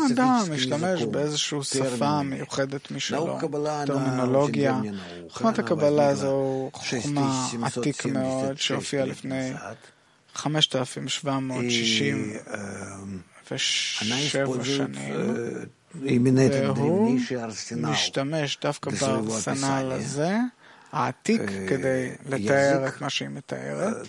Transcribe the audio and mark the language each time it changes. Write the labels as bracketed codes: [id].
[he] מדע משתמש באיזשהו שפה מיוחדת משלו. טרמינולוגיה. חוכמת הקבלה זו חוכמה עתיק מאוד שהופיעה לפני 5,767 שנים. [ru] именно этот древнейший арсенал [he] משתמש דווקא בארסנל הזה העתיק כדי לתאר את מה שהיא מתארת.